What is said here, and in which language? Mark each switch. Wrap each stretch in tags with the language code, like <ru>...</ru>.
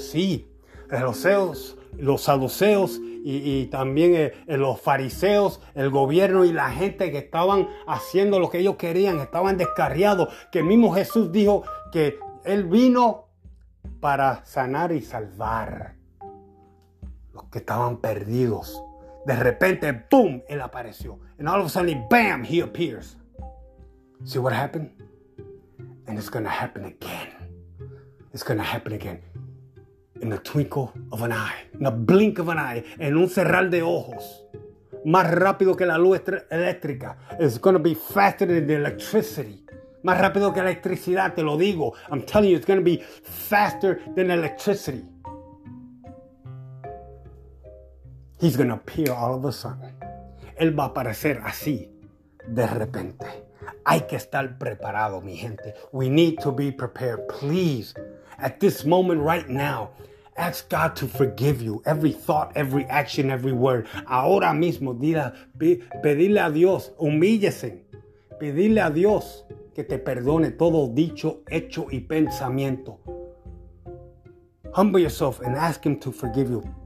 <es>Sí, los saduceos y también los fariseos, el gobierno y la gente que estaban haciendo lo que ellos querían, estaban descarriados. Que mismo Jesús dijo que él vino para sanar y salvar los que estaban perdidos. De repente, boom, él apareció.</es> <en>And all of a sudden, bam, he appears. See what happened? And it's going to happen again. It's going to happen again. In the twinkle of an eye. In a blink of an eye.</en> <es>En un cerrar de ojos. Más rápido que la luz eléctrica.</es> <en>It's going to be faster than the electricity.</en> <es>Más rápido que la electricidad, te lo digo.</es> <en>I'm telling you, it's going to be faster than electricity. He's going to appear all of a sudden.</en> <es>Él va a aparecer así, de repente. Hay que estar preparado, mi gente.</es> <en>We need to be prepared. Please, at this moment right now, ask God to forgive you. Every thought, every action, every word.</en> <es>Ahora mismo, pedirle a Dios, humíllese. Pedirle a Dios que te perdone todo dicho, hecho y pensamiento.</es> <en>Humble yourself and ask him to forgive you.</en>